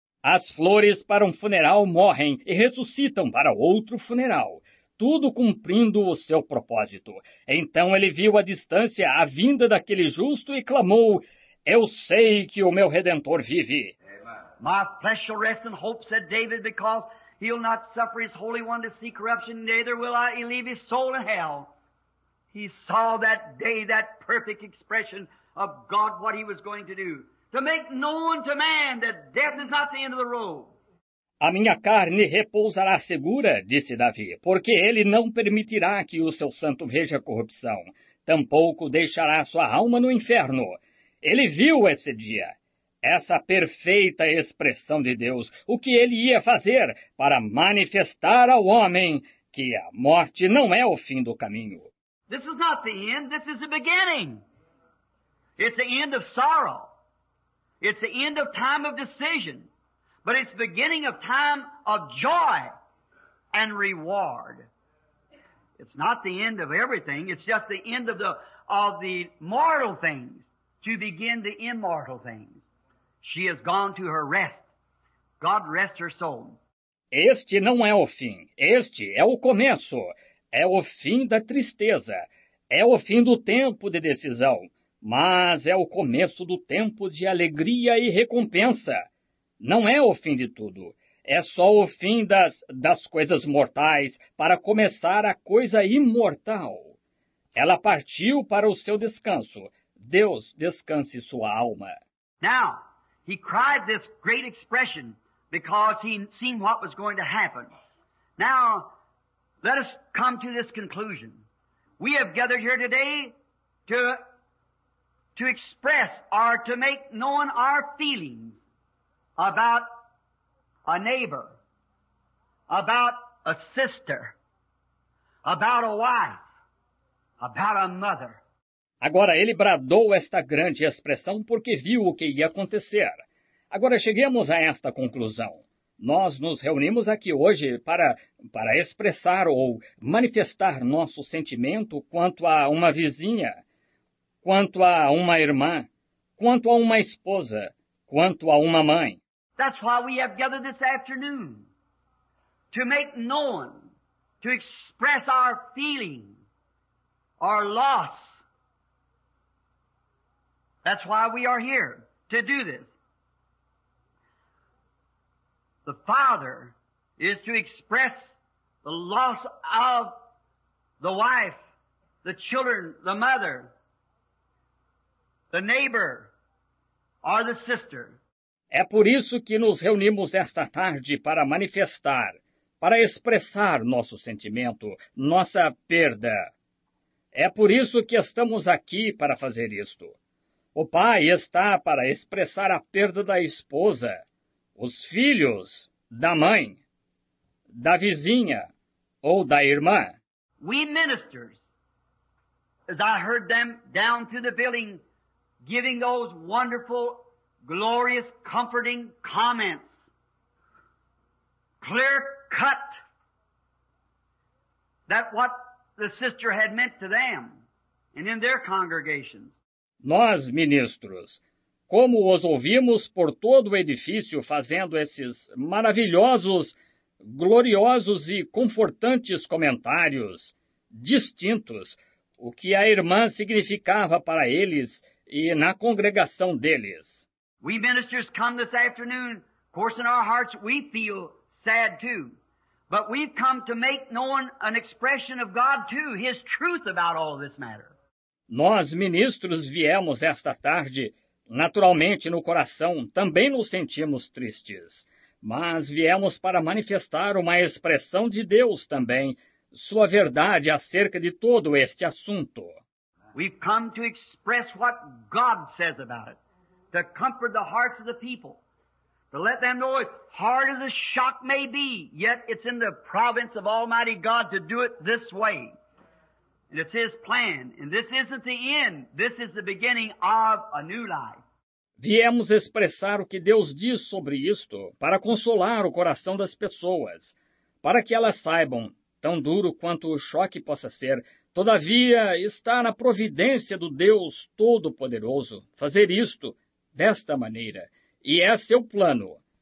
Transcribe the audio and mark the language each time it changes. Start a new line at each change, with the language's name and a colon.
Portuguese: As flores para um funeral morrem e ressuscitam para outro funeral, tudo cumprindo o seu propósito. Então ele viu à distância a vinda daquele justo e clamou, Eu sei que o meu Redentor vive.
English: My flesh shall rest in hope, said David, because he'll not suffer his Holy One to see corruption, neither will I leave his soul in hell. He saw that day that perfect expression of God, what he was going to do. To make known to man that death is not the end of the road.
Portuguese: A minha carne repousará segura, disse Davi, porque ele não permitirá que o seu santo veja corrupção. Tampouco deixará sua alma no inferno. Ele viu esse dia, essa perfeita expressão de Deus, o que ele ia fazer para manifestar ao homem que a morte não é o fim do caminho.
English: This is not the end, this is the beginning. It's the end of sorrow. It's the end of time of decision. But it's the beginning of time of joy and reward. It's not the end of everything, it's just the end of the mortal things. To begin the immortal things. She has gone to her rest. God rest her soul.
Portuguese: Este não é o fim. Este é o começo. É o fim da tristeza. É o fim do tempo de decisão. Mas é o começo do tempo de alegria e recompensa. Não é o fim de tudo. É só o fim das coisas mortais para começar a coisa imortal. Ela partiu para o seu descanso. Deus descanse sua alma.
English: Now, he cried this great expression because he seen what was going to happen. Now, let us come to this conclusion. We have gathered here today to express or to make known our feelings about a neighbor, about a sister, about a wife, about a mother.
Portuguese: Agora ele bradou esta grande expressão porque viu o que ia acontecer. Agora chegamos a esta conclusão. Nós nos reunimos aqui hoje para expressar ou manifestar nosso sentimento quanto a uma vizinha, quanto a uma irmã, quanto a uma esposa, quanto a uma mãe.
English: That's why we have gathered this afternoon, to make known, to express our feeling, our loss. That's why we are here, to do this. The father is to express the loss of the wife, the children, the mother, the neighbor, or the sister.
Portuguese: É por isso que nos reunimos esta tarde para manifestar, para expressar nosso sentimento, nossa perda. É por isso que estamos aqui para fazer isto. O pai está para expressar a perda da esposa, os filhos, da mãe, da vizinha, ou da irmã.
English: We ministers, as I heard them down to the building, giving those wonderful, glorious, comforting comments. Clear cut that what the sister had meant to them and in their congregations.
Portuguese: Nós, ministros, como os ouvimos por todo o edifício fazendo esses maravilhosos, gloriosos e confortantes comentários distintos, o que a irmã significava para eles e na congregação deles.
English: We ministers come this afternoon, of course in our hearts we feel sad too, but we've come to make known an expression of God too, His truth about all this matter.
Portuguese: Nós, ministros, viemos esta tarde, naturalmente no coração, também nos sentimos tristes, mas viemos para manifestar uma expressão de Deus também, sua verdade acerca de todo este assunto.
English: We've come to express what God says about it, to comfort the hearts of the people, to let them know, as hard as a shock may be, yet it's in the province of Almighty God to do it this way. And it's His plan. And this isn't the end. This is the beginning of a new life.
Portuguese: Viemos expressar o que Deus diz sobre isto para consolar o coração das pessoas, para que elas saibam, tão duro quanto o choque possa ser, todavia está na providência do Deus Todo-Poderoso fazer isto desta maneira, e é seu plano.